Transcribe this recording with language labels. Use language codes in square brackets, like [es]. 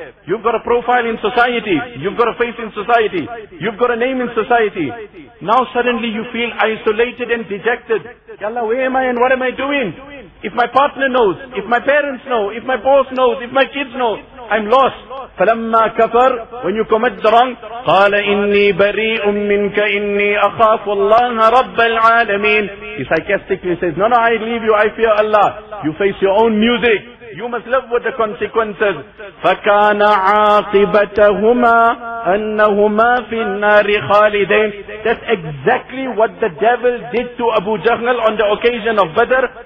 [en] You've got a profile in society. You've got a face in society. You've got a name in society. Now suddenly you feel isolated and dejected. Ya Allah, where am I and what am I doing? If my partner knows, if my parents know, if my boss knows, if my kids know, I'm lost. [ar] فَلَمَّا كَفَرْ. [en] When you commit the wrong, [ar] قَالَ إِنِّي بَرِيءٌ مِّنْكَ إِنِّي أَخَافُ اللَّهَ رَبَّ الْعَالَمِينَ. [en] He sarcastically says, no, I leave you, I fear Allah. You face your own music. You must live with the consequences. [ar] فَكَانَ عَاقِبَتَهُمَا أَنَّهُمَا فِي النَّارِ خَالِدَيْنَ. [en] That's exactly what the devil did to Abu Jahl on the occasion of Badr.